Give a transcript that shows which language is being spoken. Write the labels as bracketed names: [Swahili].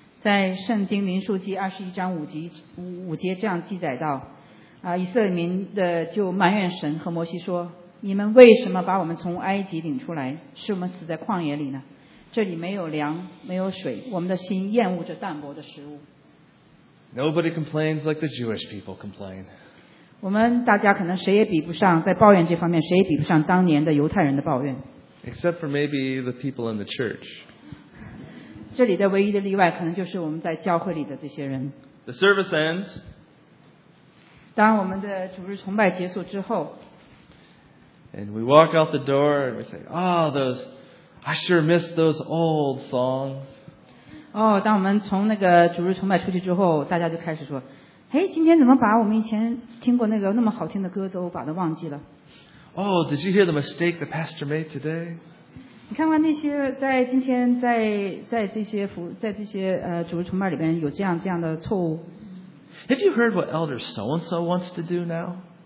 [Chinese] 在圣经民数记21:5这样记载到，以色列民的就埋怨神和摩西说，你们为什么把我们从埃及领出来，使我们死在旷野里呢？这里没有粮，没有水，我们的心厌恶着淡薄的食物。 [English] Nobody complains like the Jewish people complain. [Chinese] 我们大家可能谁也比不上，在抱怨这方面谁也比不上当年的犹太人的抱怨。 [English] Except for maybe the people in the church. [Chinese] 这里的唯一的例外可能就是我们在教会里的这些人。 [English] The service ends. [Chinese] 当我们的主日崇拜结束之后。 [English] And we walk out the door and we say, Oh, those, I sure miss those old songs. [Chinese] Oh, 当我们从那个主日崇拜出去之后，大家就开始说，嘿，今天怎么把我们以前听过那个那么好听的歌都把它忘记了。 [English] Oh, did you hear the mistake the pastor made today? [Chinese] 你看看那些在今天在这些主日崇拜里边有这样的错误。 [English] Have you heard what Elder so-and-so wants to do now?